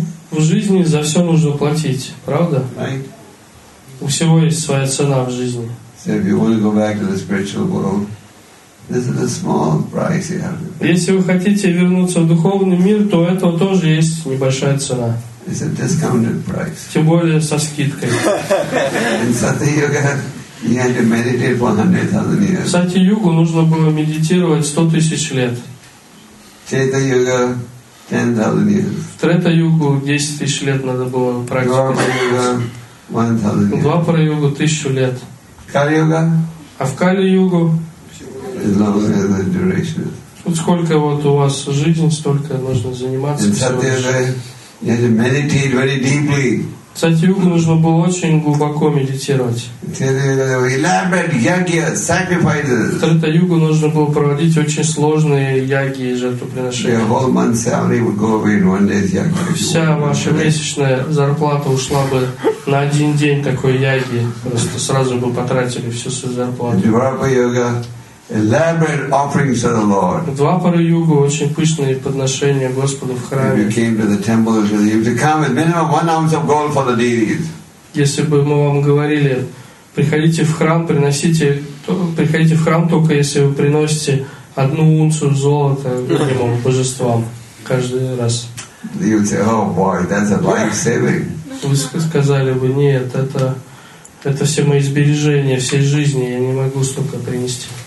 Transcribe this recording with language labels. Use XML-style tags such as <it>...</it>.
<ru>В жизни за все нужно платить, правда?</ru> <en>Right.</en> <ru>У всего есть своя цена в жизни. Если вы хотите вернуться в духовный мир, то у этого тоже есть небольшая цена.</ru> <en>It's a discounted price.</en> <ru>Тем более со скидкой.</ru> <en>In Satyuga, you had to meditate for 100,000 years.</en> <ru>В Сати-югу нужно было медитировать 100,000 лет.</ru> <en>Чета-юга, 10,000 years.</en> <ru>В Трета-югу 10,000 лет надо было практиковать. Двапара-югу 1,000 лет. Кали-юга? А в Кали-югу?</ru> <en>As long as the duration.</en> <ru>Вот сколько вот у вас жизнь, столько нужно заниматься.</ru> <en>In Satyuga, you had to meditate very deeply.</en> <ru>Сатьюгу нужно было очень глубоко медитировать.</ru> <en>Elaborate yagya sacrifices.</en> <ru>В Трета-югу нужно было проводить очень сложные яги и жертвоприношения.</ru> <en>Your whole month's salary would go away in one day's yagya.</en> <ru>Вся ваша месячная зарплата ушла бы на один день такой яги. Просто сразу бы потратили всю свою зарплату.</ru> <en>Двапара-юга, elaborate offerings to the Lord.</en> <ru>Двапара-юга, очень пышные подношения Господу в храме.</ru> <en>If you came to the temple, you have to come with minimum 1 ounce of gold for the deities.</en> <ru>Если бы мы вам говорили, приходите в храм, приносите, приходите в храм только если вы приносите 1 унцию золота минимум божествам каждый раз.</ru> <en>You would say, oh boy, that's a life saving.</en> <ru>Вы сказали бы, нет, это все мои сбережения всей жизни, я не могу столько принести.</ru>